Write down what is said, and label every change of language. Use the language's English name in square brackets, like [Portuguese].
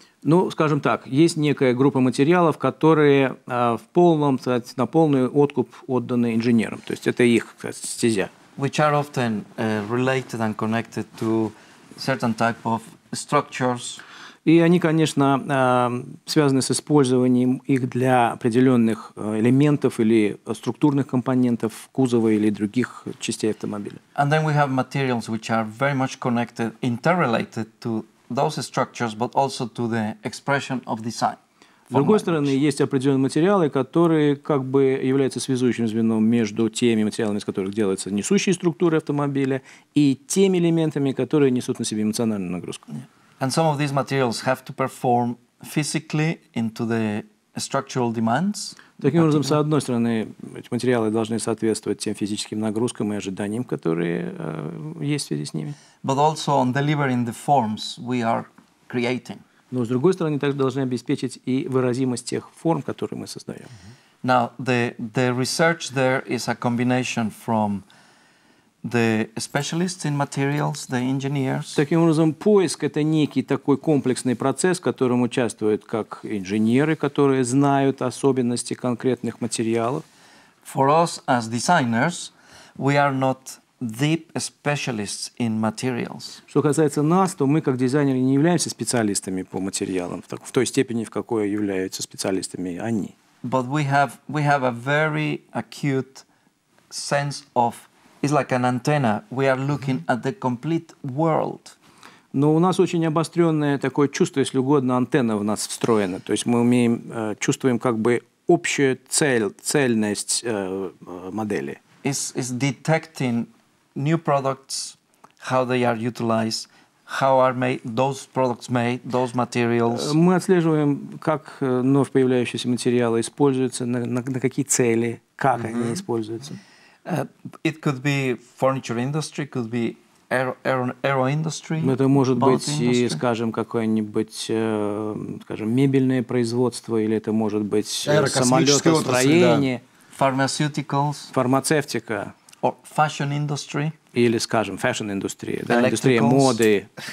[Russian] Ну, скажем так, есть некая группа материалов, которые в полном, сказать, на полный откуп отданы инженерам. То есть это их, сказать, стезя. [English] Which are often related and connected to certain type of structures. [Russian] И они, конечно, связаны с использованием их для определенных элементов или структурных компонентов кузова или других частей автомобиля. [English] And then we have materials which are very much connected, interrelated to those structures, but also to the expression of design. [Russian] С другой стороны, есть определенные материалы, которые как бы являются связующим звеном между теми материалами, из которых делаются несущие структуры автомобиля, и теми элементами, которые несут на себе эмоциональную нагрузку. [English] And some of these materials have to perform physically into the structural demands. [Russian] Таким образом, с одной стороны, эти материалы должны соответствовать тем физическим нагрузкам и ожиданиям, которые есть в связи с ними. [English] But also on delivering the forms we are creating. [Russian] Но с другой стороны, также должны обеспечить и выразимость тех форм, которые мы создаем. Mm-hmm. [English] Now the research there is a combination from the specialists in materials, the engineers. [Russian] Таким образом, поиск — это некий такой комплексный процесс, в котором участвуют как инженеры, которые знают особенности конкретных материалов. [English] For us as designers, we are not deep specialists in materials. [Russian] Что касается нас, то мы как дизайнеры не являемся специалистами по материалам в той степени, в какой являются специалистами они. [English] But we have a very acute sense of. It's like an antenna. We are looking at the complete world. [Russian] Но у нас очень обостренное такое чувство, если угодно, антенна в нас встроена. То есть мы умеем чувствуем как бы общую цельность модели. [English] It's detecting new products, how they are utilized, How are made those products made, those materials? [Russian] Мы отслеживаем, как вновь появляющиеся материалы используются, на какие цели, как mm-hmm. они используются. [English] It could be furniture industry, could be aero industry. [Russian] Это может быть и, скажем, какое-нибудь, скажем, мебельное производство, или это может быть самолетостроение. [English] Да. Pharmaceuticals. [Russian] Фармацевтика. [English] Or fashion industry. [Russian] Или, скажем, фэшн-индустрия, да, индустрия моды.